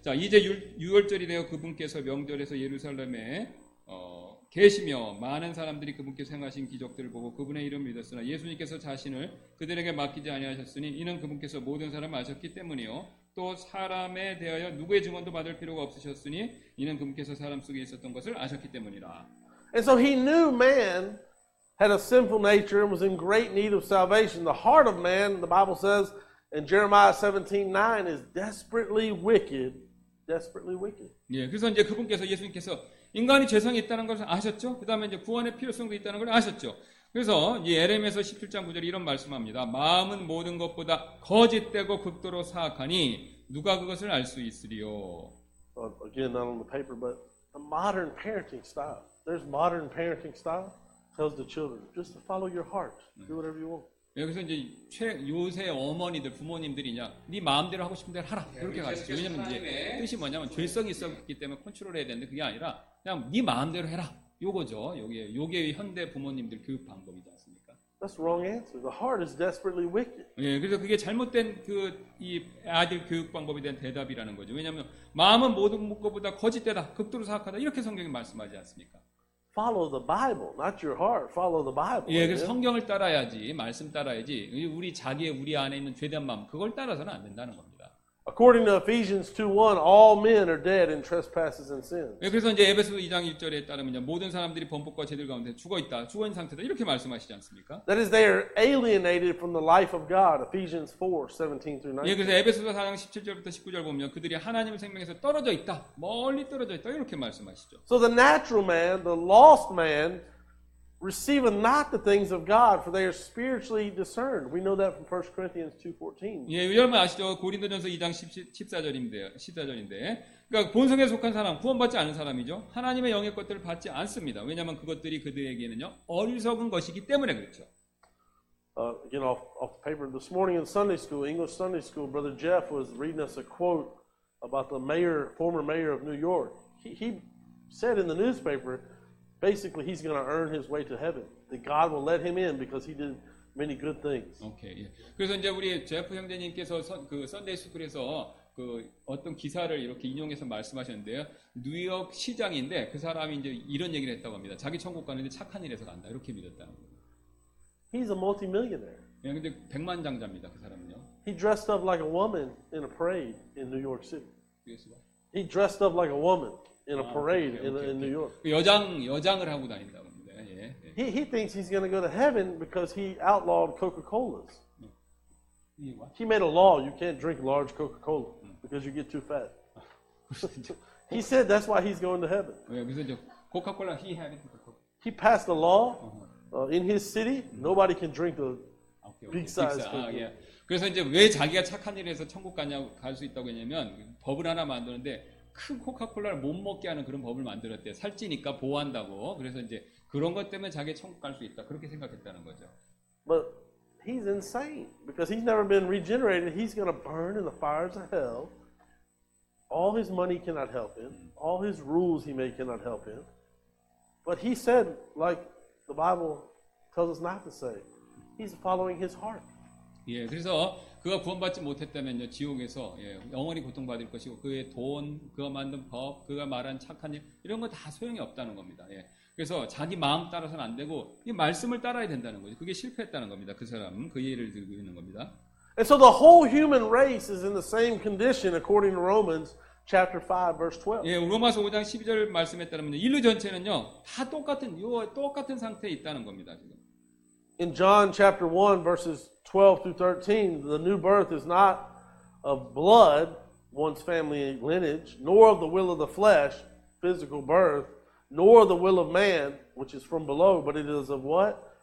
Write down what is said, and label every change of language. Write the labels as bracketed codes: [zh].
[ko] 자, 이제 유월절이 되어 그분께서 명절에서 예루살렘에 계시며 많은 사람들이 그분께서 행하신 기적들을 보고 그분의 이름을 믿었으나 예수님께서 자신을 그들에게 맡기지 아니하셨으니 이는 그분께서 모든 사람을 아셨기 때문이요. 또 사람에 대하여 누구의 증언도 받을 필요가 없으셨으니 이는 그분께서 사람 속에 있었던 것을 아셨기 때문이라. [en] And so he knew man had a sinful nature and was in great need of salvation. The heart of man, the Bible says in Jeremiah 17:9, is desperately wicked, desperately wicked. [ko] 예, 그래서 이제 그분께서 예수님께서 인간이 죄성이 있다는 것을 아셨죠. 그 다음에 이제 구원의 필요성도 있다는 걸 아셨죠. 그래서 이 예레미야서 17장 9절에 이런 말씀합니다. 마음은 모든 것보다 거짓되고 극도로 사악하니 누가 그것을 알 수 있으리요. [en] Again, not on the paper, but the modern parenting style. There's modern parenting style tells the children just to follow your heart, do whatever you want. [ko] 여기서 이제 요새 어머니들 부모님들이냐 네 마음대로 하고 싶은 대로 하라 그렇게 가시죠. 왜냐면 이제 뜻이 뭐냐면 죄성이 있었기 때문에 컨트롤해야 되는데 그게 아니라 그냥 네 마음대로 해라 요거죠. 요게 현대 부모님들 교육 방법이지 않습니까? [en] That's wrong answer. The heart is desperately wicked. [ko] 예, 그래서 그게 잘못된 그 이 아들 교육 방법에 대한 대답이라는 거죠. 왜냐면 마음은 모든 것보다 거짓되다 극도로 사악하다 이렇게 성경이 말씀하지 않습니까? [en] Follow the Bible, not your heart. Follow the Bible. [ko] 예, 그 성경을 따라야지, 말씀 따라야지. 우리 자기의 우리 안에 있는 죄된 마음 그걸 따라서는 안 된다는 겁니다. [en] According to Ephesians 2:1, all men are dead in trespasses and sins. [ko] 예, 그래서 이제 에베소서 2장 1절에 따르면 모든 사람들이 범법과 죄들 가운데 죽어 있다, 죽은 상태다 이렇게 말씀하시지 않습니까? [en] That is, they are alienated from the life of God. Ephesians 4:17-19. [ko] 예, 그래서 에베소서 4장 17절부터 19절 보면 그들이 하나님의 생명에서 떨어져 있다, 멀리 떨어져 있다 이렇게 말씀하시죠. [en] So the natural man, the lost man, receive not the things of God, for they are spiritually discerned. We know that from 1 Corinthians 2:14. [ko] 예, 여러분 아시죠? 고린도전서 2장 14절인데. 그러니까 본성에 속한 사람, 구원받지 않은 사람이죠. 하나님의 영의 것들을 받지 않습니다. 왜냐면 그것들이 그들에게는요, 어리석은 것이기 때문에 그렇죠. [en] Again, off the paper, this morning in Sunday school, English Sunday school, Brother Jeff was reading us a quote about the mayor, former mayor of New York. He said in the newspaper, basically, he's going to earn his way to heaven. That God will let him in because he did many good things. Okay. [ko] 예. 그래서 이제 우리 제프 형제님께서 그 선데이스쿨에서 그 어떤 기사를 이렇게 인용해서 말씀하셨는데요. 뉴욕 시장인데 그 사람이 이제 이런 얘기를 했다고 합니다. 자기 천국 가는데 착한 일에서 간다. 이렇게 믿었다는 거예요. [en] He's a multimillionaire. [ko] 예, 근데 백만 장자입니다. 그 사람은요. [en] He dressed up like a woman in a parade in New York City. Yes, he dressed up like a woman. In a parade in New York. [ko] 여장을 하고 다닌다고 합니다. 예, 예. [en] He thinks he's going to go to heaven because he outlawed Coca-Colas. He made a law you can't drink large Coca-Cola because you get too fat. He said that's why he's going to heaven. [ko] 예, 그래서 이제 코카콜라 [en] he had it. He passed a law in his city nobody can drink the big size Coca-Cola. [ko] 예. 그래서 이제 왜 자기가 착한 일에서 천국 가냐고 갈 수 있다고 했냐면 법을 하나 만드는데 큰 코카콜라를 못 먹게 하는 그런 법을 만들었대요. 살찌니까 보호한다고. 그래서 이제 그런 것 때문에 자기 천국 갈 수 있다. 그렇게 생각했다는 거죠. [en] But he's insane because he's never been regenerated. He's going to burn in the fires of hell. All his money cannot help him. All his rules he made cannot help him. But he said, like the Bible tells us not to say, he's following his heart. [ko] 예, 그래서 그가 구원받지 못했다면요 지옥에서 예, 영원히 고통받을 것이고 그의 돈, 그가 만든 법, 그가 말한 착한 일 이런 거 다 소용이 없다는 겁니다. 예, 그래서 자기 마음 따라서는 안 되고 이 말씀을 따라야 된다는 거죠. 그게 실패했다는 겁니다. 그 사람은 그 예를 들고 있는 겁니다. [en] And so the whole human race is in the same condition according to Romans chapter 5 verse 12. [ko] 예, 로마서 5장 12절 말씀에 따르면 인류 전체는요. 다 똑같은 요 똑같은 상태에 있다는 겁니다, 지금. [en] In John chapter 1 verses 12 through 13, the new birth is not of blood, one's family lineage, nor of the will of the flesh, physical birth, nor the will of man, which is from below, but it is of what?